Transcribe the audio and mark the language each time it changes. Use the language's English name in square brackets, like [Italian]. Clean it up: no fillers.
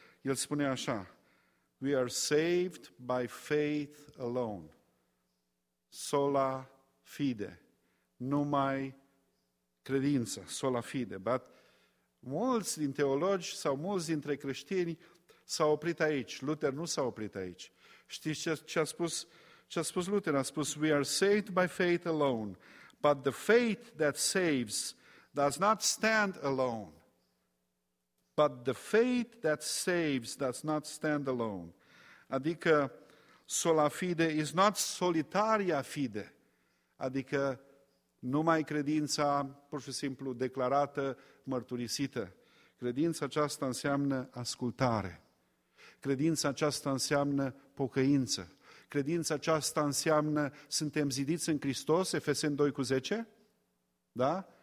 [Romanian] El spune așa: [English] We are saved by faith alone. [Romanian] Sola fide. Numai credință. Sola fide. [English] But [Romanian] mulți din teologi sau mulți dintre creștini s-au oprit aici. Luther nu s-a oprit aici. Știți ce a spus? Ce a spus Luther? A spus: [English] We are saved by faith alone, but the faith that saves does not stand alone. But the faith that saves does not stand alone. [Romanian] Adică, [English] sola fide is not solitaria fide. [Romanian] Adică, numai credința, pur și simplu, declarată, mărturisită. Credința aceasta înseamnă ascultare. Credința aceasta înseamnă pocăință. Credința aceasta înseamnă suntem zidiți în Hristos, Efeseni 2:10? Da?